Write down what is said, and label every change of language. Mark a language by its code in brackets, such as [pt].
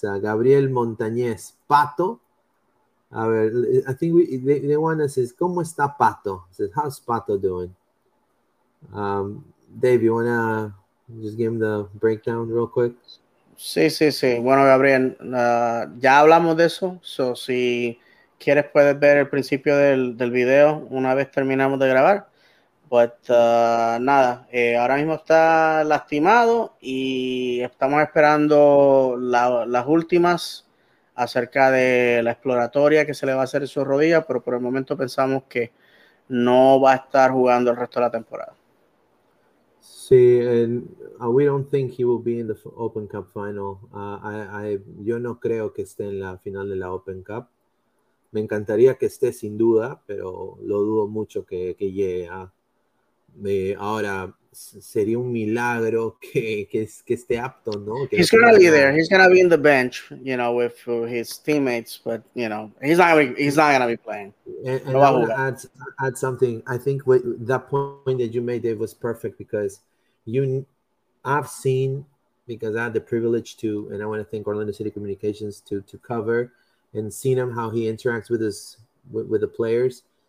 [en] Gabriel Montañez, Pato. [es] A ver, [en] I think they want to say, [es] ¿cómo está Pato? [en] Says, how's Pato doing? Dave, you want to just give him the breakdown real quick? [es] Sí. Bueno, Gabriel, ya hablamos de eso. So, si quieres, puedes ver el principio del video una vez terminamos de grabar. Pues nada, ahora mismo está lastimado y estamos esperando las últimas acerca de la exploratoria que se le va a hacer en su rodilla, pero por el momento pensamos que no va a estar jugando el resto de la temporada. [en] Sí, and we don't think he will be in the Open Cup final. [es] Yo no creo que esté en la final de la Open Cup. Me encantaría que esté sin duda, pero lo dudo mucho que llegue a... ahora sería un milagro que esté apto, ¿no? [en] He's gonna be there. He's gonna be in the bench, you know, with his teammates. But you know, he's not gonna be playing. And I want to add something. I think with that point that you made, Dave, was perfect because I've seen, because I had the privilege to, and I want to thank Orlando City Communications to cover and seen him how he interacts with his with the players.